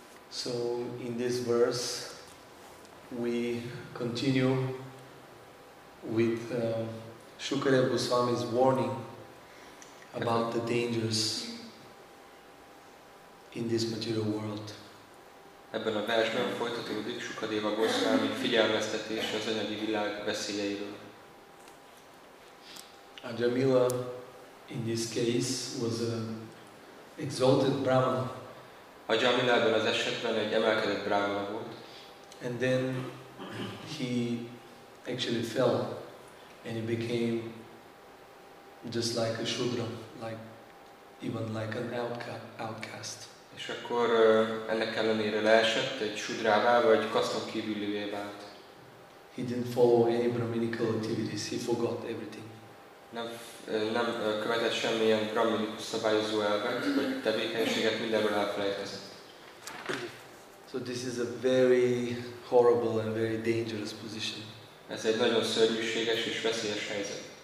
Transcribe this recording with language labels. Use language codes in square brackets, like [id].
[en] So in this verse, we continue with Shukadev Goswami's warning about the dangers in this material world. [hu] Ebben a versben folytatódik Shukadev Goswami figyelmeztetése az anyagi világ veszélyeiről. [en] Ajamila, in this case, was an exalted Brahman. [hu] Ajamila ebben az esetben egy emelkedett brahmana volt. [en] And then he actually fell and he became just like a shudra, like even like an outcast. [hu] És akkor ennek ellenére leesett egy shudrává, vagy kaszton kívülivé vált. [en] He didn't follow any brahminical activities, he forgot everything. [hu] Nem követett semmilyen brahminikus szabályozó elvet, vagy tevékenységet, mindenről elfelejtezett. [en] So this is a very horrible and very dangerous position. [hu] Ez egy nagyon szörnyűséges és veszélyes helyzet.